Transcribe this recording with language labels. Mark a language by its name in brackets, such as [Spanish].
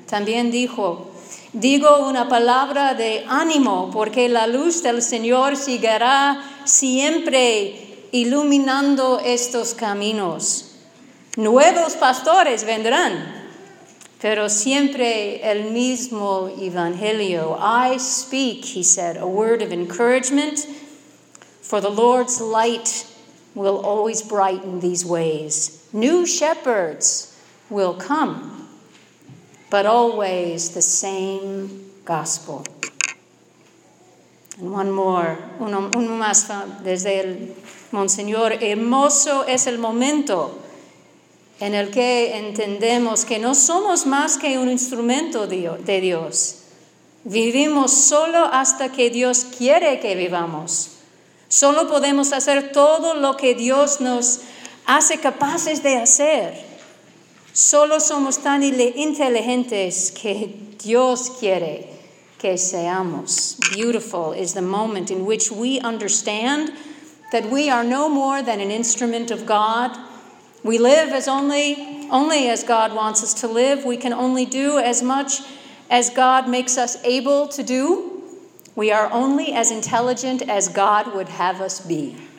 [Spanish] También dijo, digo una palabra de ánimo, porque la luz del Señor seguirá siempre iluminando estos caminos. Nuevos pastores vendrán, pero siempre el mismo evangelio. [English] I speak, he said, a word of encouragement, for the Lord's light will always brighten these ways. New shepherds will come, but always the same gospel. And one more, [Spanish] uno más desde el Monseñor. Hermoso es el momento en el que entendemos que no somos más que un instrumento de Dios. Vivimos solo hasta que Dios quiere que vivamos. Solo podemos hacer todo lo que Dios nos hace capaces de hacer. Solo somos tan inteligentes que Dios quiere que seamos. [English] Beautiful is the moment in which we understand that we are no more than an instrument of God. We live as only as God wants us to live. We can only do as much as God makes us able to do. We are only as intelligent as God would have us be.